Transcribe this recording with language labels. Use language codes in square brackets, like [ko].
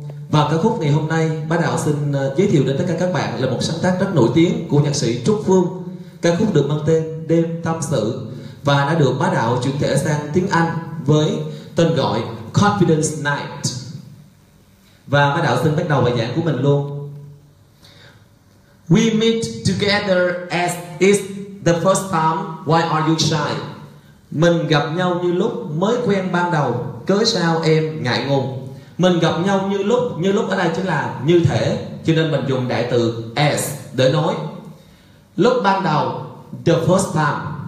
[vi] Và ca khúc ngày hôm nay, Bá Đạo xin giới thiệu đến tất cả các bạn là một sáng tác rất nổi tiếng của nhạc sĩ Trúc Phương. Ca khúc được mang tên Đêm Tâm Sự và đã được Bá Đạo chuyển thể sang tiếng Anh với tên gọi Confidence Night. Và Bá Đạo xin bắt đầu bài giảng của mình luôn. [en] We meet together as is the first time, why are you shy? [vi] Mình gặp nhau như lúc mới quen ban đầu, cớ sao em ngại ngùng? Mình gặp nhau như lúc ở đây chính là như thể, cho nên mình dùng đại từ as để nói. Lúc ban đầu, [en] the first time.